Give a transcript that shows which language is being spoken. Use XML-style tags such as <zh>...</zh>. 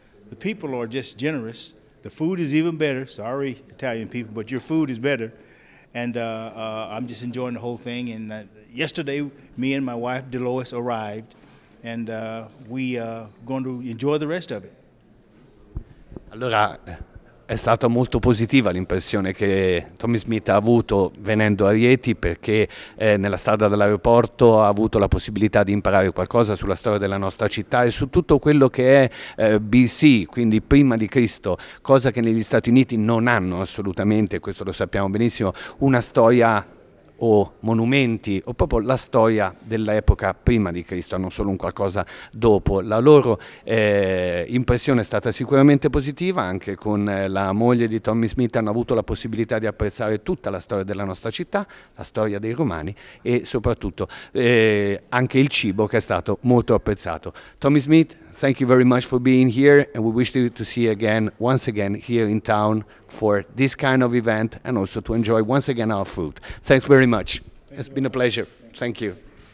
<en>The people are just generous. The food is even better. Sorry, Italian people, but your food is better. And I'm just enjoying the whole thing. And yesterday, me and my wife, Delois, arrived, and we are going to enjoy the rest of it.</en> <it>Allora, è stata molto positiva l'impressione che Tommie Smith ha avuto venendo a Rieti, perché nella strada dall'aeroporto ha avuto la possibilità di imparare qualcosa sulla storia della nostra città e su tutto quello che è BC, quindi prima di Cristo, cosa che negli Stati Uniti non hanno assolutamente, questo lo sappiamo benissimo, una storia o monumenti o proprio la storia dell'epoca prima di Cristo, non solo un qualcosa dopo. La loro impressione è stata sicuramente positiva, anche con la moglie di Tommie Smith hanno avuto la possibilità di apprezzare tutta la storia della nostra città, la storia dei Romani e soprattutto anche il cibo, che è stato molto apprezzato.</it> <en>Tommie Smith, thank you very much for being here, and we wish you to see you again, once again, here in town for this kind of event, and also to enjoy once again our food. Thanks very much. It's been a pleasure. Thank you.</en>